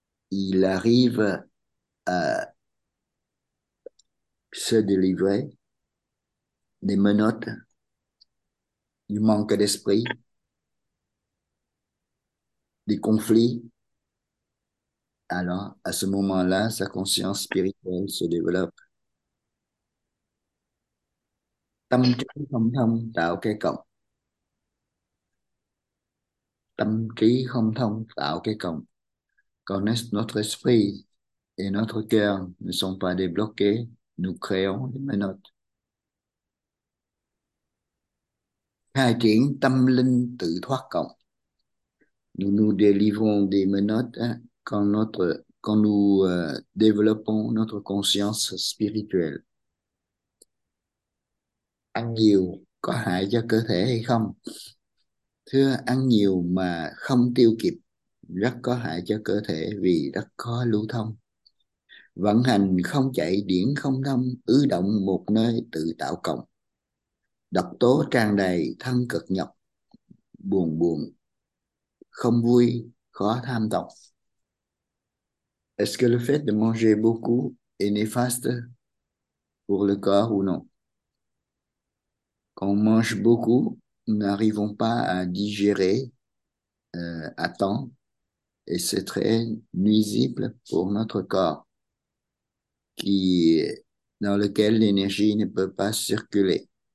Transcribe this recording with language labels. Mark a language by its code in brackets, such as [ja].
[fr] Il arrive à se délivrer des menottes du manque d'esprit, des conflits, alors à ce moment-là, sa conscience spirituelle se développe. [vi] Tâm trí không thông tạo cái cộng. Tâm trí không thông tạo cái cộng. [fr] Quand notre esprit et notre cœur ne sont pas débloqués, nous créons des menottes. [vi] Khai triển tâm linh tự thoát cộng. [fr] Nous nous délivrons des menottes quand nous développons notre conscience spirituelle. [vi] Ăn nhiều có hại cho cơ thể hay không? Thưa, ăn nhiều mà không tiêu kịp rất có hại cho cơ thể vì rất khó lưu thông. Vận hành không chạy, điển không thông, ứ động một nơi tự tạo cộng. Độc tố tràn đầy, thân cực nhọc, buồn buồn, không vui, khó tham vọng. [fr] Est-ce que le fait de manger beaucoup est néfaste pour le corps ou non? Quand on mange beaucoup, nous n'arrivons pas à digérer à temps et c'est très nuisible pour notre corps qui, dans lequel l'énergie ne peut pas circuler.